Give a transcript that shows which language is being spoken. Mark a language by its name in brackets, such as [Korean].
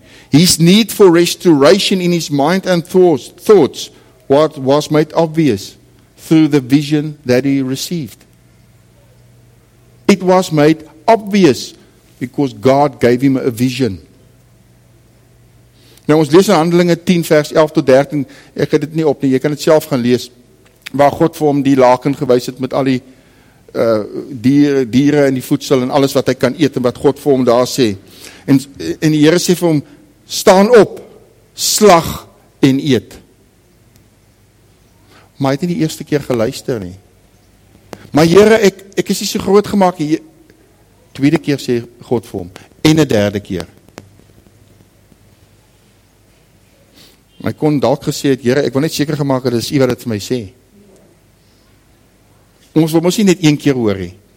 [English] His need for restoration in his mind and thoughts what was made obvious through the vision that he received. It was made obvious because God gave him a vision. [Afrikaans] Nou ons lees in Handelinge 10 vers 11 tot 13, ek het dit nie op nie, jy kan dit self gaan lees, waar God vir hom die laken gewys het met al die diere en die voedsel en alles wat hy kan eet en wat God vir hom daar sê. En die Here sê vir hom, staan op, slag en eet. Maar hy het nie die eerste keer geluister nie. Maar Here, ek is nie so groot gemaak nie. Tweede keer sê God vir hom, en 'n derde keer. Hy kon dalk gesê het, Here, ek wil net seker gemaak het, dis U wat dit vir my sê. Ons wil mos nie net een keer hoor nie.